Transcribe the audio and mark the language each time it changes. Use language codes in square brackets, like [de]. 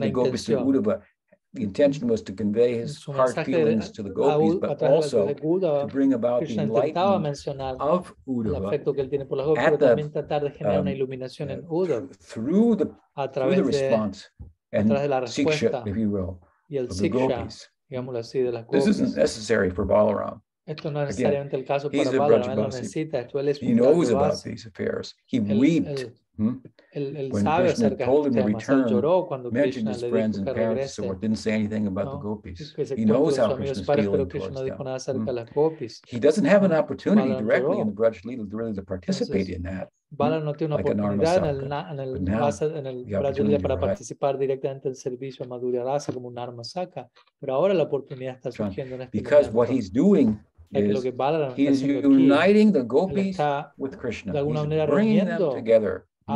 [en] To Uddhava, the intention was to convey his heart feelings to the gopis, but also Uddhava, to bring about Krishna the enlightenment of Uddhava. [es] El afecto que él tiene por las gopis, pero también tratar de generar una iluminación en Uddhava. [en] Through the response. [es] A través de la respuesta, [en] siksha, if you will, [es] y el siksha, digámoslo así, de las gopis. [en] This isn't necessary for Balaram. [es] Esto no es necesariamente el caso para Balaram, él no necesita esto, él es un [en] he knows about these affairs. He wept. When sabe Krishna told him to return, mentioned his friends and parents, so he didn't say anything about the gopis. He knows how Krishna's feeling towards them. He doesn't have an opportunity directly in the Braj Lila really to participate in that. [es] Balaram no tiene una oportunidad en el Brajlila para participar directamente en el servicio a Madhurya Rasa como un arma saca, pero ahora la oportunidad está surgiendo en este momento. [en] Because what he's doing is [es] lo que Balaram [en] he is uniting the gopis with Krishna. [es] De alguna manera [en] bringing them together.